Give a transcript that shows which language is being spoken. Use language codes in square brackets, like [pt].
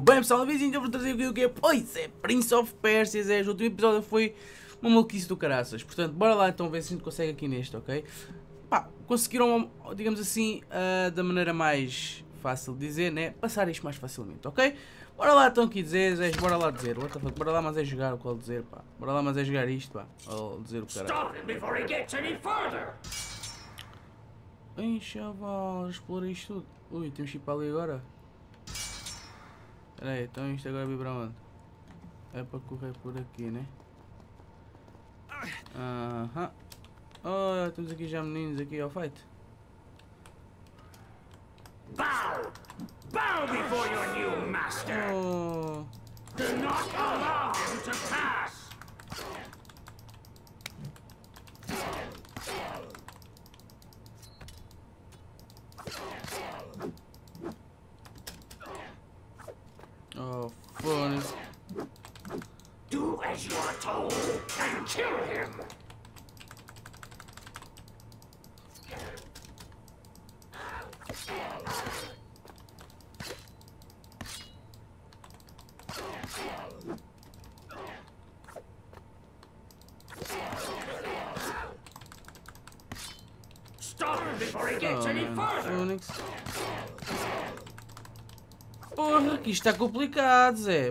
[pt] Bem pessoal, no vídeo eu vou trazer o que é? Pois é, Prince of Persia, é, o último episódio foi uma maluquice do caraças. Portanto, bora lá então ver se a gente consegue aqui neste, ok? Pá, conseguiram, digamos assim, da maneira mais fácil de dizer, né? Passar isto mais facilmente, ok? Bora lá então aqui dizer, Zé, bora lá dizer. [en] What the fuck? [pt] Bora lá mas é jogar o qual dizer, pá. Bora lá mas é jogar isto, pá. Ou dizer o caralho. [en] Stop him before he gets any further! [pt] Ai, chaval, explora isto tudo. Ui, temos que ir para ali agora. Espera aí, então isto agora vai para onde? É para correr por aqui, né? Aham. Oh, temos aqui já meninos aqui ao fight. [en] Bow! Bow before your new master! Do not allow him to pass! Oh, fones. Do as you are told and kill him. Stop him before he gets any further. Phoenix. [pt] Porra, aqui está complicado, Zé.